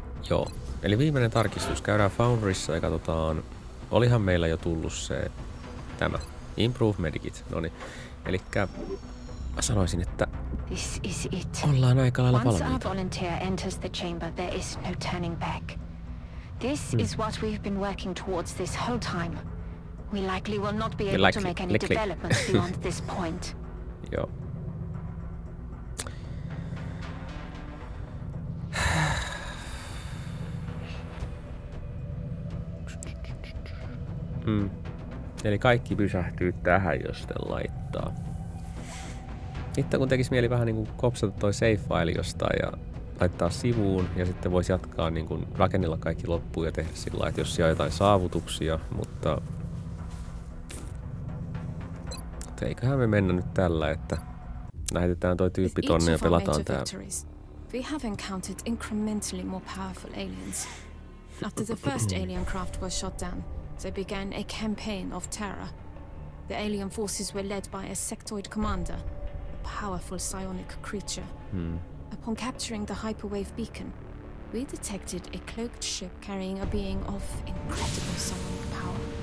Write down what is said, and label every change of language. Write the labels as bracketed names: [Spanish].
[Finnish] Joo, eli viimeinen tarkistus. Käydään Foundryssa ja katsotaan... Olihan meillä jo tullut se... Tämä. Improve Medikit. Noniin. Elikkä... Mä sanoisin, että... [English] This is it. [Finnish] Ollaan aika lailla valmiita. [English] Once our volunteer enters the chamber, there is no turning back. This is what we've been working towards this whole time. We likely will not be able to make any developments beyond this point. [Finnish] Joo. Eli kaikki pysähtyy tähän, jos sitten laittaa. Itse kun tekisi mieli vähän niinku kopsata toi save file jostain ja laittaa sivuun ja sitten voisi jatkaa niinku rakennella kaikki loppuun ja tehdä sillä, että jos siellä on jotain saavutuksia, mutta... Eiköhän me mennä nyt tällä, että lähetetään toi tyyppi tonne ja pelataan tää. [English] We have encountered incrementally more powerful aliens. After the first alien craft was shot down, they began a campaign of terror. The alien forces were led by a sectoid commander. Powerful psionic creature. Upon capturing the hyperwave beacon, we detected a cloaked ship carrying a being of incredible psionic power.